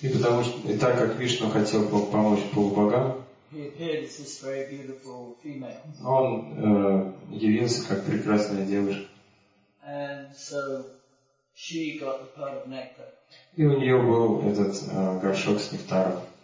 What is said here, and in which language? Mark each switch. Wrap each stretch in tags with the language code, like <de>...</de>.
<ru>И так как Вишну хотел помочь полубогам.</ru> <en>He appeared as this very beautiful female.</en> <ru>Он явился как прекрасная девушка.</ru> <en>And so she got the pot of nectar.</en> <ru>И у нее был этот горшок с нектаром.</ru>